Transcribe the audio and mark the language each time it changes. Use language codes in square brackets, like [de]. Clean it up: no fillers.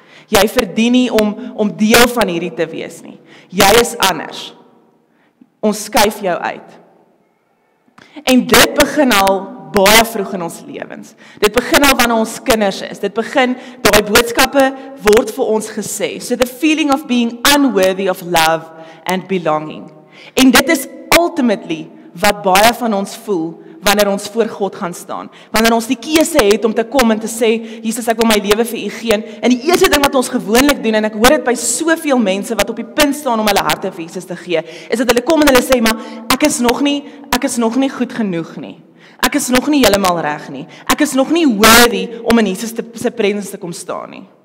[af] Jy verdien nie om deel van hierdie te wees nie. Jy is anders. Ons skuif jou uit. En dit begin al baie vroeg in ons lewens. Dit begin al wanneer ons kinders is. Dit begin, daai boodskappe word vir ons gesê. [en] So the feeling of being unworthy of love and belonging. [af] En dit is ultimately wat baie van ons voel wanneer ons voor God gaan staan. Wanneer ons die keuse het om te kom en te sê, Jesus, ek wil my lewe vir U gee. En die eerste ding wat ons gewoonlik doen, en ek hoor dit by soveel mense wat op die punt staan om hulle harte vir Jesus te gee, is dat hulle kom en hulle sê, maar ek is nog nie goed genoeg nie. Ek is nog nie helemaal reg nie. Ek is nog nie worthy om in Jesus se presence te kom staan nie.